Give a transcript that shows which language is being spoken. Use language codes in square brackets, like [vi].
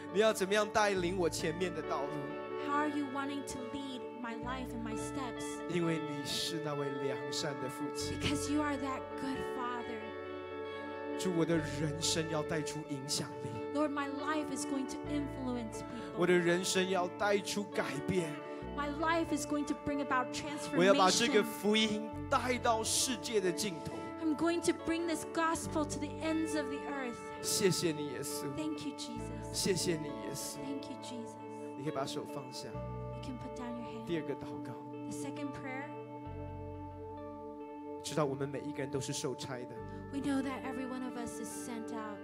[zh] 你要怎么样带领我前面的道路 [en] How are you wanting to lead my life and my steps? [zh] 因为你是那位良善的父亲 [en] Because you are that good father. [zh] 主，我的人生要带出影响力 [en] Lord, my life is going to influence people. [zh] 我的人生要带出改变 [en] My life is going to bring about transformation. [zh] 我要把这个福音带到世界的尽头。 [en] I'm going to bring this gospel to the ends of the earth. [zh] 谢谢你耶稣。 [en] Thank you, Jesus. [zh] 谢谢你耶稣。 [en] Thank you, Jesus. [zh] 你可以把手放下。 [en] You can put down your hand. [zh] 第二个祷告。 [en] The second prayer. [zh] 知道我们每一个人都是受差的。 [en] We know that every one of us is sent out.